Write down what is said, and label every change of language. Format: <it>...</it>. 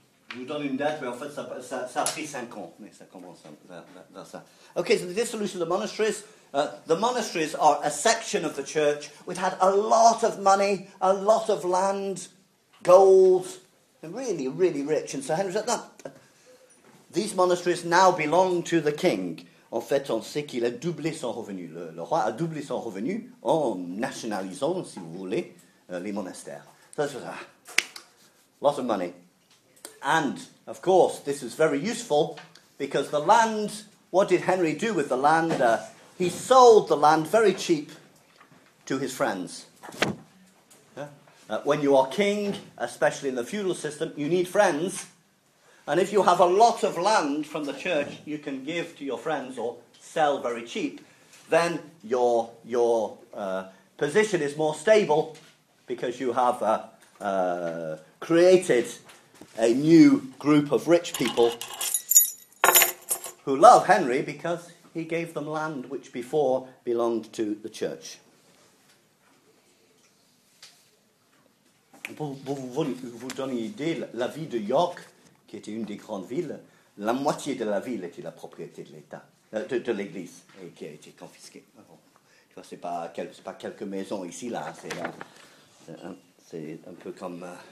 <fr>Je vous donne une date, mais en fait, ça a pris 5 ans. Mais ça commence dans ça.</fr> <en>Okay, so the dissolution of the monasteries are a section of the church. We've had a lot of money, a lot of land, gold. They're really, really rich. And so Henry said, no, these monasteries now belong to the king.</en> <fr>En fait, on sait qu'il a doublé son revenu. Le roi a doublé son revenu en nationalisant, si vous voulez, les monastères.</fr> <en>So that's what, lots of money. And, of course, this is very useful because the land, what did Henry do with the land? He sold the land very cheap to his friends. Yeah? When you are king, especially in the feudal system, you need friends. And if you have a lot of land from the church you can give to your friends or sell very cheap, then your position is more stable because you have created a new group of rich people who love Henry because he gave them land which before belonged to the church.</en> <fr>Vous donnez une idée, la ville de York, qui était une des grandes villes, la moitié de la ville était la propriété de l'État, de l'Église, et qui a été confisquée. Bon, tu vois, c'est pas quelques maisons ici, là, c'est un peu comme...</fr>